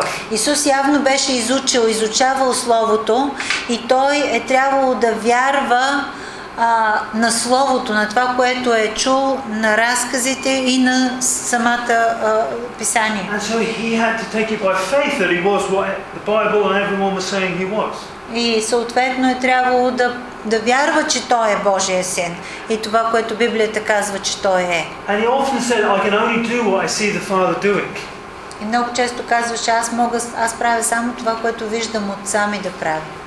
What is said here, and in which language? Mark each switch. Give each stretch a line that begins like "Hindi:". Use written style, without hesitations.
Bulgarian: Исус явно беше изучил, изучавал словото и той е трябвало да вярва на словото, на това, което е чул, на разказите и на самата писание.
English: And so he had to take it by faith that he was what the Bible and everyone was saying he was.
Bulgarian: И съответно е трябвало да, да вярва, че той е Божия син и това, което Библията казва, че той е.
English: And he often said, I can only do what I see the Father doing.
Bulgarian: И много често казва, че аз мога, аз правя само това, което виждам отца ми да прави.